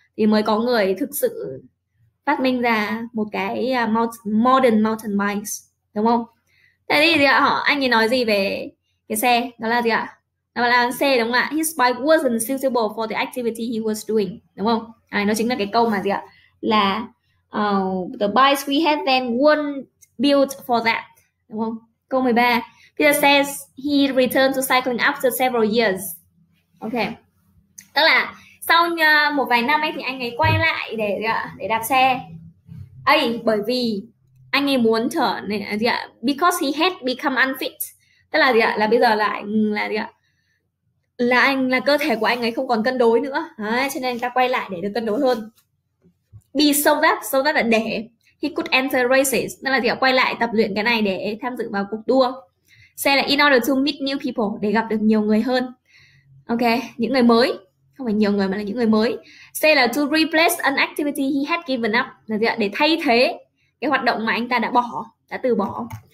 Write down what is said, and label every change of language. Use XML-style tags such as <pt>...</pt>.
<vi>Thì mới có người thực sự phát minh ra một cái</vi> <en>modern mountain bike,</en> <vi>đúng không? Thế thì gì ạ? Họ anh ấy nói gì về cái xe? Đó là gì ạ? Đó là xe, đúng không ạ?</vi> <en>His bike wasn't suitable for the activity he was doing,</en> <vi>đúng không? À, nó chính là cái câu mà gì ạ?</vi> <en>Là the bikes we had then weren't built for that,</en> <vi>đúng không?</vi> <en>Câu 13. Peter says he returned to cycling after several years. Ok.</en> <vi>Tức là sau một vài năm ấy thì anh ấy quay lại để đạp xe. Ấy, bởi vì anh ấy muốn trở nên gì ạ?</vi> <en>Because he had become unfit.</en> <vi>Tức là gì ạ? Là bây giờ lại là gì ạ? Là anh là cơ thể của anh ấy không còn cân đối nữa. Đấy, cho nên anh ta quay lại để được cân đối hơn.</vi> <en>Be so that</en> <vi>là để</vi> <en>he could enter races.</en> <vi>Tức là gì ạ? Quay lại tập luyện cái này để tham dự vào cuộc đua. Xe là</vi> <en>in order to meet new people,</en> <vi>để gặp được nhiều người hơn. Ok, những người mới. Không phải nhiều người mà là những người mới. C là</vi> <en>to replace an activity he had given up,</en> <vi>là gì ạ? Để thay thế cái hoạt động mà anh ta đã bỏ, đã từ bỏ.</vi>